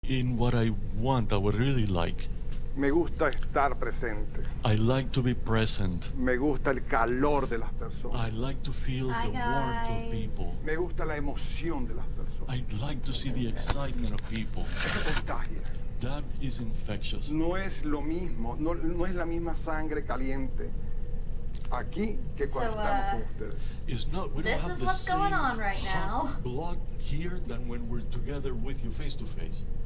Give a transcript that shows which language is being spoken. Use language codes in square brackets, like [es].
[en] in what I want, I would really like. [es] Me gusta estar presente. [en] I like to be present. [es] Me gusta el calor de las personas. [en] I like to feel Hi the guys. Warmth of people. [es] Me gusta la emoción de las personas. [en] I like to see the excitement of people. [es] Eso contagia. [en] That is infectious. [es] No es lo mismo, no es la misma sangre caliente aquí que cuando estamos con ustedes. [en] It's not, we don't have the same hot blood here than when we're together with you face to face.